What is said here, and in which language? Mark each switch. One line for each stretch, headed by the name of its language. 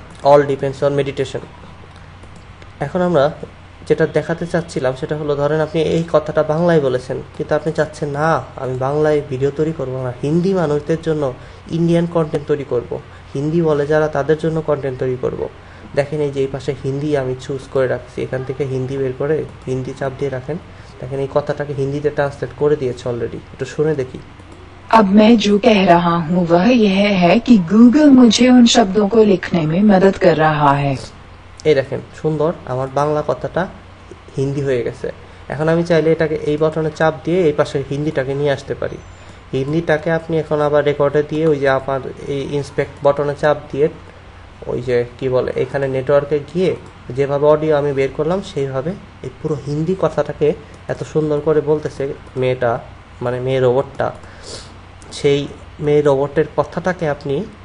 English: All depends on meditation.
Bangla: এখন আমরা যেটা দেখাতে চাচ্ছিলাম সেটা হলো, ধরেন আপনি এই কথাটা বাংলায় বলেছেন, কিন্তু আপনি চাচ্ছেন না আমি বাংলায় ভিডিও তৈরি করব না, হিন্দি মানুষদের জন্য ইন্ডিয়ান কন্টেন্ট তৈরি করব, হিন্দি বলে যারা তাদের জন্য কন্টেন্ট তৈরি করব। দেখেন এই যে এই পাশে হিন্দি আমি চুজ করে রাখছি, এখান থেকে হিন্দি বের করে হিন্দি চাপ দিয়ে রাখেন। দেখেন এই কথাটাকে হিন্দিতে ট্রান্সলেট করে দিয়েছে অলরেডি, একটু শুনে দেখি।
Hindi: अब मैं जो कह रहा हूँ वह यह है कि गूगल मुझे उन शब्दों को लिखने में मदद कर रहा है।
Bangla: এই দেখেন সুন্দর, আমার বাংলা কথাটা হিন্দি হয়ে গেছে। এখন আমি চাইলে এটাকে এই বাটনে চাপ দিয়ে এই পাশে হিন্দিটাকে নিয়ে আসতে পারি। হিন্দিটাকে আপনি এখন আবার রেকর্ডে দিয়ে ওই যে আমার এই ইন্সপেক্ট বাটনে চাপ দিয়ে ওই যে কি বলে এখানে নেটওয়ার্কে গিয়ে যেভাবে অডিও আমি বের করলাম সেইভাবে এই পুরো হিন্দি কথাটাকে এত সুন্দর করে বলতেছে মেয়েটা, মানে মেয়ে রোবটটা, সেই মেয়ে রোবটের কথাটাকে আপনি